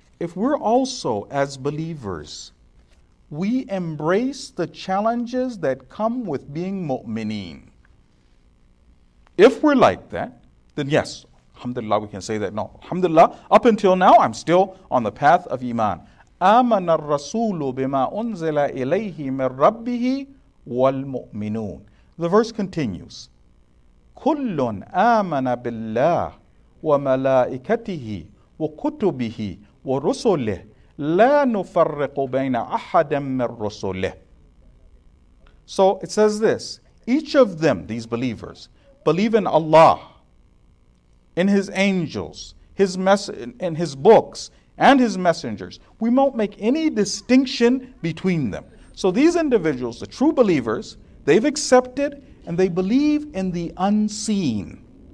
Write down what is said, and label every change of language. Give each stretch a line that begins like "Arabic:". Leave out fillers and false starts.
English: If we're also, as believers, we embrace the challenges that come with being mu'mineen. If we're like that, then yes, alhamdulillah, we can say that. No, alhamdulillah, up until now, I'm still on the path of iman.
Arabic: آمن الرسول بما أنزل إليه من ربه والمؤمنون.
English: The verse continues.
Arabic: كل آمن بالله وملائكته وكتبه ورسله لا نفرق بين أحد من رسله.
English: So it says this. Each of them, these believers, believe in Allah, in His angels, in His books, and His messengers. We won't make any distinction between them. So these individuals, the true believers, they've accepted and they believe in the unseen.